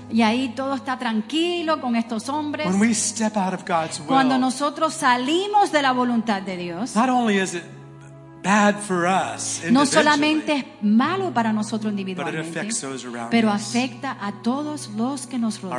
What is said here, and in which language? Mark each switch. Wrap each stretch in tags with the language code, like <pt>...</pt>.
<es>Y ahí todo está tranquilo con estos hombres.</es> <en>When we step out of God's will,</en> <es>cuando nosotros salimos de la voluntad de Dios,</es> <en>not only is it bad for us individually,</en> <es>no solamente es malo para nosotros individualmente,</es> <en>but it affects those around</en> <es>pero</es> <en>us.</en> <es>Afecta a todos los que nos rodean,</es>